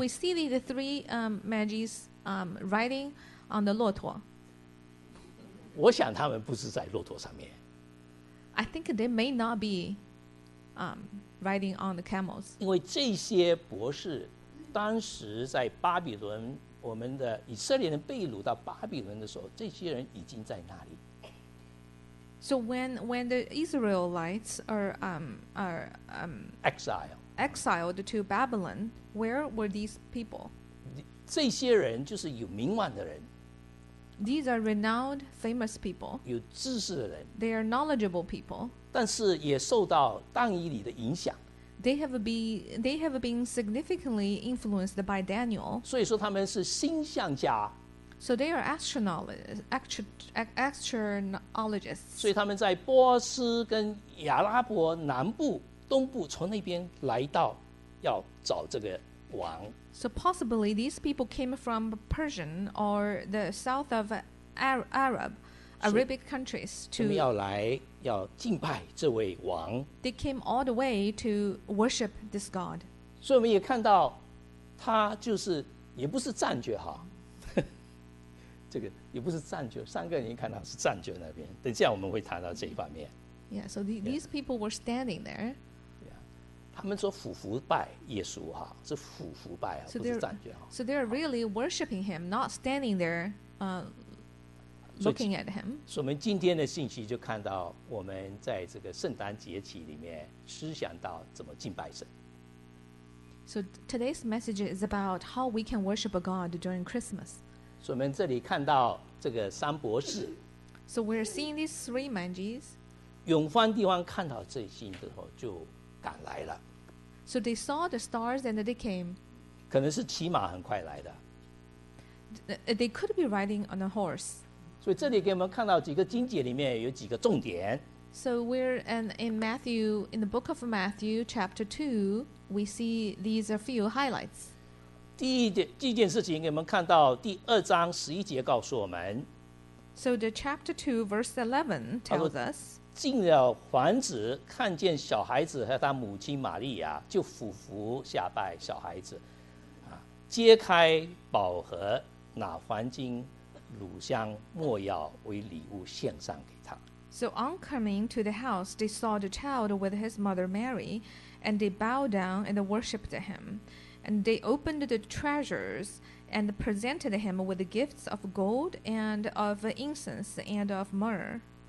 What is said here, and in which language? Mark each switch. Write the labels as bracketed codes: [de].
[en] We see the three Magi's riding on the 骆驼。 [zh] 我想他们不是在骆驼上面。 [en] I think they may not be riding on the camels. [zh] 因为这些博士当时在巴比伦，我们的以色列人被掳到巴比伦的时候，这些人已经在那里。 [en] So when the Israelites are exiled to Babylon, where were these people? [zh] 这些人就是有名望的人。 [en] These are renowned, famous people. [zh] 有知识的人。 [en] They are knowledgeable people. [zh] 但是也受到但以理的影响。 [en] They have been significantly influenced by Daniel. [zh] 所以说他们是星象家。 [en] So they are astrologists. [zh] 所以他们在波斯跟亚拉伯南部、东部从那边来到，要找这个王。 [en] So possibly these people came from Persian or the south of Arabic countries to. [zh] 他们要来要敬拜这位王。 [en] They came all the way to worship this god. [zh] 所以我们也看到，他就是也不是站着哈，这个也不是站着，三个人看到是站着那边。等下我们会谈到这一方面。 [en] Yeah, so these people were standing there. [zh] 他们说俯拜耶稣，是俯拜，不是站着。 [en] So they're really worshiping him, not standing there, looking at him. [zh] 所以我们今天的信息就看到我们在这个圣诞节期里面思想到怎么敬拜神。 [en] So today's message is about how we can worship a God during Christmas. [zh] 所以我们这里看到这个三博士。 [en] So we're seeing these three Manjis. [zh] 永方帝王看到这星之后就赶来了。 [en] So they saw the stars and they came. [zh] 可能是骑马很快来的。 [en] They could be riding on a horse. [zh] 所以这里给我们看到几个经节里面有几个重点。 [en] So we're in Matthew, in the book of Matthew, chapter 2, we see these a few highlights. [zh] 第一件事情给我们看到第二章十一节告诉我们。 [en] So the chapter 2, verse 11 tells us, [zh] 进了房子看见小孩子和他母亲玛利亚就俯伏下拜小孩子、啊、揭开宝盒拿黄金乳香没药为礼物献上给他。 [en] So on coming to the house, they saw the child with his mother Mary, and they bowed down and worshipped him. And they opened the treasures and presented him with the gifts of gold and of incense and of myrrh.